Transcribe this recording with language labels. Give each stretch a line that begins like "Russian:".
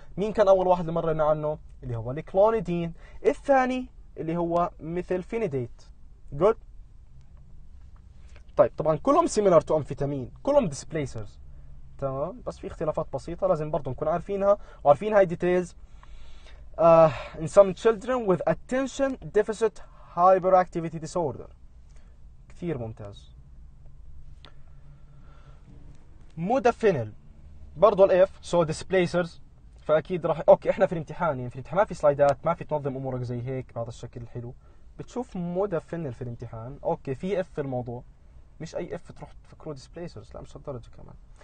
Arabic: مين كان اول واحد اللي مرنا عنه؟ اللي هو الكلونيدين. الثاني اللي هو مثل فينيديت. جود. طيب طبعا كلهم سيميلر تو امفيتامين، كلهم ديسبليسرز، تمام، بس في اختلافات بسيطه لازم برضو نكون عارفينها وعارفين هاي ديتيلز.
English: In some children with attention deficit hyperactivity disorder.
Arabic: كثير ممتاز. مودافينيل برضو الاف، سو ديسبليسرز، فاكيد راح اوكي. احنا في الامتحان، يعني في الامتحان ما في سلايدات، ما في تنظم امورك زي هيك بهذا الشكل الحلو، بتشوف مودافينيل في الامتحان. اوكي، في اف في الموضوع، مش اي اف تروح تفكروا ديسبليسرز، لا مش هالدرجه كمان.